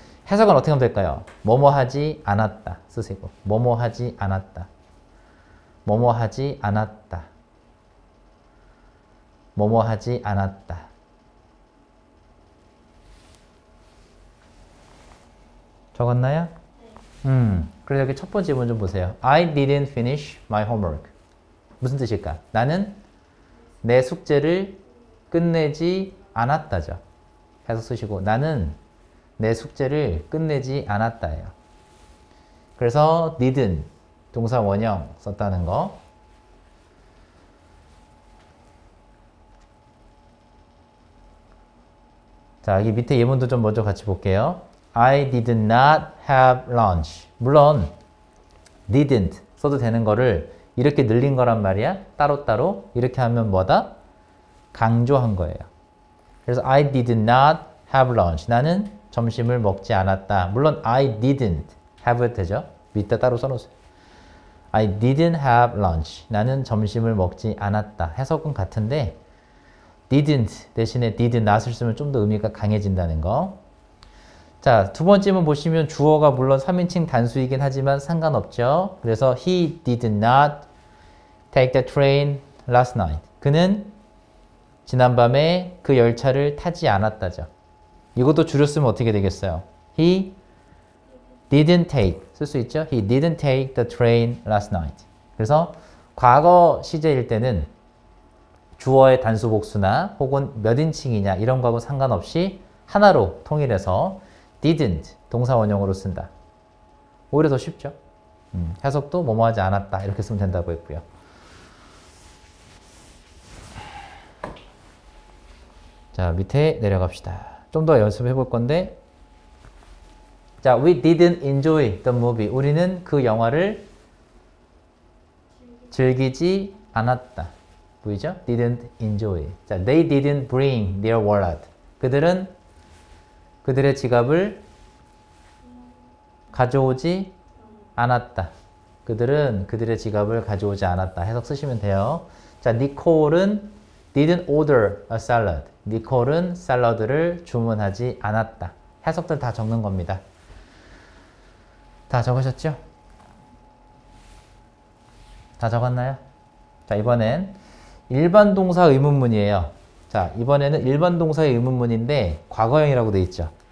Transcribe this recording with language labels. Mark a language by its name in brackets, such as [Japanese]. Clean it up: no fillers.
[Korean] 해석은 어떻게 하면 될까요? 뭐뭐 하지 않았다 쓰시고 뭐뭐 하지 않았다. 뭐뭐 하지 않았다. 뭐뭐 하지 않았다. 적었나요? 그래서 여기 첫 번째 질문 좀 보세요. [English] I didn't finish my homework. [Korean] 무슨 뜻일까? 나는 내 숙제를 끝내지 않았다죠. 해서 쓰시고 나는 내 숙제를 끝내지 않았다예요. 그래서 didn't 동사 원형 썼다는 거. 자, 여기 밑에 예문도 좀 먼저 같이 볼게요. [English] I did not have lunch. [Korean] 물론, didn't 써도 되는 거를 이렇게 늘린 거란 말이야. 따로따로. 이렇게 하면 뭐다? 강조한 거예요. 그래서 [English] I did not have lunch. [Korean] 나는 점심을 먹지 않았다. 물론, [English] I didn't have [Korean] 해도 되죠. 밑에 따로 써놓으세요. [English] I didn't have lunch. [Korean] 나는 점심을 먹지 않았다. 해석은 같은데, didn't 대신에 did not을 쓰면 좀더 의미가 강해진다는 거. 자, 두 번째만 보시면 주어가 물론 3인칭 단수이긴 하지만 상관없죠. [English] 그래서 he did not take the train last night. [Korean] 그는 지난밤에 그 열차를 타지 않았다죠. 이것도 줄였으면 어떻게 되겠어요? [English] He didn't take [Korean] 쓸수 있죠? [English] He didn't take the train last night. [Korean] 그래서 과거 시제일 때는 주어의 단수 복수나 혹은 몇 인칭이냐 이런 거하고 상관없이 하나로 통일해서 didn't 동사 원형으로 쓴다. 오히려 더 쉽죠. 해석도 뭐뭐 하지 않았다 이렇게 쓰면 된다고 했고요. 자, 밑에 내려갑시다. 좀더 연습해 볼 건데. [English] 자, we didn't enjoy the movie. [Korean] 우리는 그 영화를 즐기지 않았다. 보이죠? [English] Didn't enjoy. 자, they didn't bring their wallet. [Korean] 그들은 그들의 지갑을 가져오지 않았다. 그들은 그들의 지갑을 가져오지 않았다. 해석 쓰시면 돼요. [English] 자, Nicole은 didn't order a salad. [Korean] Nicole은 샐러드를 주문하지 않았다. 해석들 다 적는 겁니다. 다 적으셨죠? 다 적었나요? 자, 이번엔 일반 동사 의문문이에요. 자, 이번에는 1번 동사의 의문문인데 과거형이라고 돼 있죠.